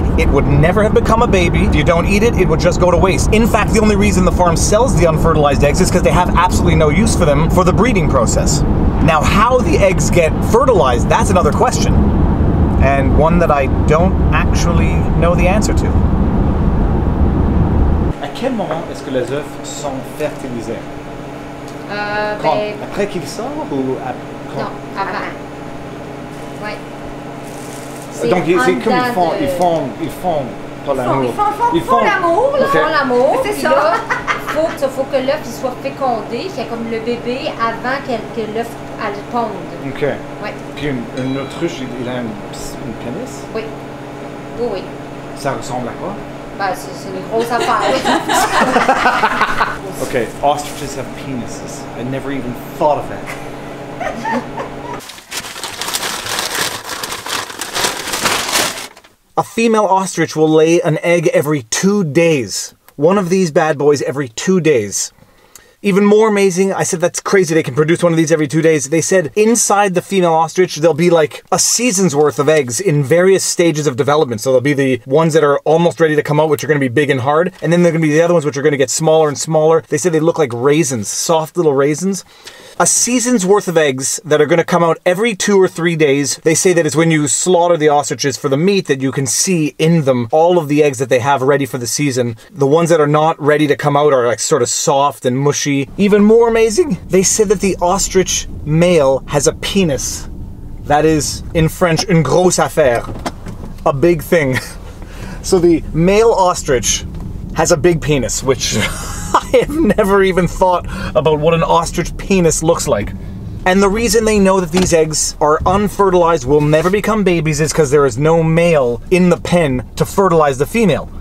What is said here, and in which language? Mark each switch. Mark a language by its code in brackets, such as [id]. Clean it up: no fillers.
[en] It would never have become a baby. If you don't eat it, it would just go to waste. In fact, the only reason the farm sells the unfertilized eggs is because they have absolutely no use for them for the breeding process. Now, how the eggs get fertilized, that's another question. And one that I don't actually know the answer to. [fr] À quel moment est-ce que les œufs sont fertilisés? Après qu'ils sortent ou après? Ouais. Donc, c'est comme ils font l'amour. C'est ça. Là, faut que l'œuf soit fécondé, c'est comme le bébé, avant que l'œuf elle ponde. OK. Ouais. Puis une autruche, il a une pénis? Oui. Oui, oui. Ça ressemble à quoi? Ben, c'est une grosse affaire. OK. [en] Ostriches have penises. I never even thought of that. A female ostrich will lay an egg every 2 days. One of these bad boys every 2 days. Even more amazing, I said that's crazy they can produce one of these every 2 days. They said inside the female ostrich, there'll be like a season's worth of eggs in various stages of development. So there'll be the ones that are almost ready to come out, which are gonna be big and hard. And then there're gonna be the other ones, which are gonna get smaller and smaller. They said they look like raisins, soft little raisins. A season's worth of eggs that are gonna come out every 2 or 3 days. They say that it's when you slaughter the ostriches for the meat that you can see in them all of the eggs that they have ready for the season. The ones that are not ready to come out are like sort of soft and mushy. Even more amazing, they said that the ostrich male has a penis. That is, in French, [fr] une grosse affaire. [en] A big thing. So the male ostrich has a big penis, which I have never even thought about what an ostrich penis looks like. And the reason they know that these eggs are unfertilized, will never become babies, is because there is no male in the pen to fertilize the female.